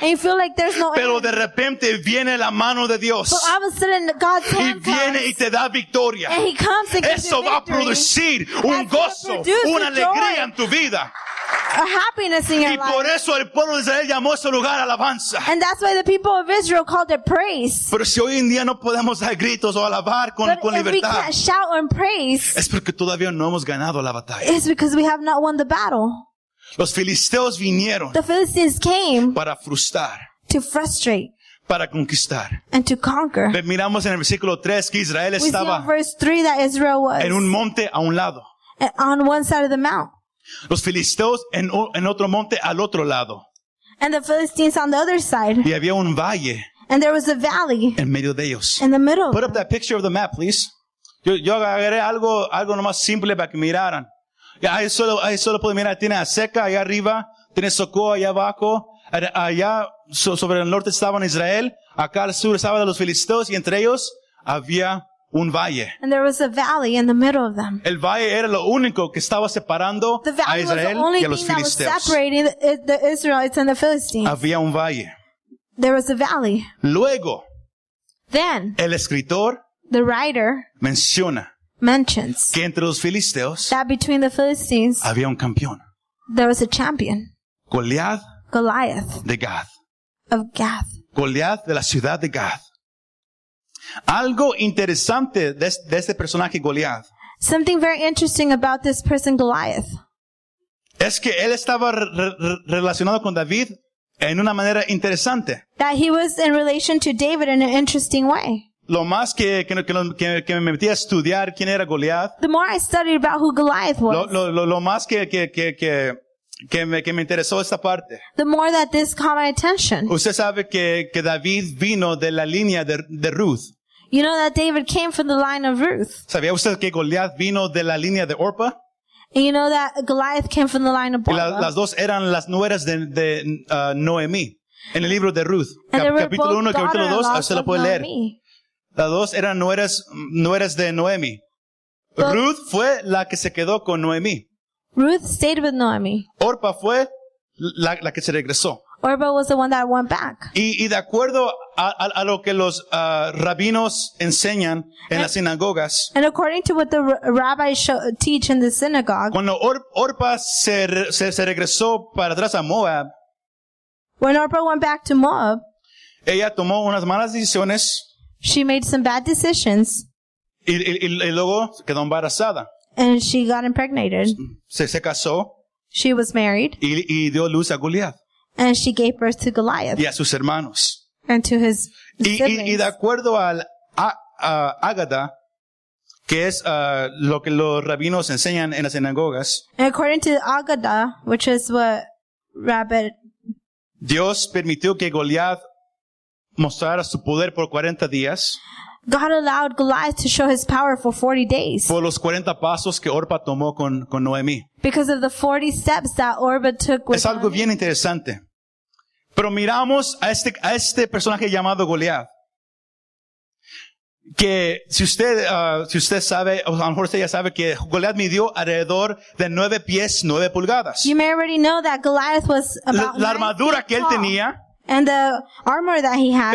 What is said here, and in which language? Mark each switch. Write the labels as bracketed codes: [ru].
[en] And you feel like there's no. [es] Pero de repente viene la mano de Dios. [en] But all of a sudden God's hand [es] y viene y te da victoria. [en] And he comes and gives you victory. [es] Eso va a producir un gozo, una alegría en tu vida. [en] a happiness in your life. [es] Y por eso el pueblo de Israel llamó ese lugar alabanza. [en] And that's why the people of Israel called it praise. [es] Pero si hoy en día no podemos dar gritos o alabar con libertad, [en] we can't shout and praise, [es] es porque todavía no hemos ganado la batalla. [en] It's because we have not won the battle. [es] Los filisteos vinieron. [en] The Philistines came [es] para frustrar. [en] To frustrate. [es] Para conquistar. [en] And to conquer. [es] Miramos en el versículo 3 que Israel estaba en un monte a un lado. [en] On one side of the mount. [es] Los filisteos en otro monte al otro lado. [en] And the Philistines on the other side. [es] Y había un valle. [en] And there was a valley. [es] En medio de ellos. [en] In the middle. Put up that picture of the map, please. [es] Yo agarré algo nomás simple para que miraran. Ahí solo puedo mirar. Tiene Azeca allá arriba. Tiene Socoa allá abajo. Allá sobre el norte estaba en Israel, acá al sur estaba de los filisteos y entre ellos había un valle. [en] And there was a valley in the middle of them. [es] El valle era lo único que estaba separando a Israel y a los filisteos. [en] The valley was the only thing that was separating the Israelites and the Philistines. [es] Había un valle. [en] There was a valley. [es] Luego, [en] then, [es] el escritor, [en] the writer, [es] mentions que entre los filisteos, [en] that between the Philistines, [es] había un campeón. [en] There was a champion. [es] Goliath. [en] Goliath [es] de Gath. [en] Of Gath. [es] Goliath de la ciudad de Gath. Algo interesante de este personaje Goliath. [en] Something very interesting about this person Goliath. [es] Es que él estaba relacionado con David en una manera interesante. [en] That he was in relation to David in an interesting way. [es] Lo más que me metí a estudiar quién era Goliath. [en] The more I studied about who Goliath was. [es] Lo más que me interesó esta parte. [en] The more that this caught my attention. [es] Usted sabe que David vino de la línea de Ruth. [en] You know that David came from the line of Ruth. [es] ¿Sabía usted que Goliath vino de la línea de Orpa? [en] And you know that Goliath came from the line of Orpa. [es] Las dos eran las nueras de Noemí. En el libro de Ruth. Capítulo 1, capítulo 2, usted lo puede leer. Las dos eran nueras de Noemí. Ruth fue la que se quedó con Noemí. [en] Ruth stayed with Naomi. [es] Orpa fue la que se regresó. [en] Orpa was the one that went back. [es] Y de acuerdo a lo que los rabinos enseñan en las sinagogas. [en] And according to what the rabbis teach in the synagogue. [es] Cuando Orpa se regresó para atrás a Moab. [en] When Orpa went back to Moab. [es] Ella tomó unas malas decisiones. [en] She made some bad decisions. [es] Y luego quedó embarazada. [en] And she got impregnated. [es] Se casó. [en] She was married. [es] Y dio luz a Goliath. [en] And she gave birth to Goliath. [es] Y a sus hermanos. [en] And to his siblings. [es] Y de acuerdo al Agada, que es lo que los rabinos enseñan en las sinagogas. [en] And according to Agada, which is what Rabbi. [es] Dios permitió que Goliath mostrara su poder por 40 días. [en] God allowed Goliath to show his power for 40 days. [es] Por los 40 pasos que Orpa tomó con Noemí. [en] Because of the 40 steps that Orpa took with [es] Noemí. Es algo bien interesante. Pero miramos a este personaje llamado Goliath. Que si usted sabe, o a lo mejor usted ya sabe que Goliath midió alrededor de 9 pies, 9 pulgadas. [en] You may already know that Goliath was about [es] la armadura que él [en] tall. [es] Tenía. [en] And the armor that he had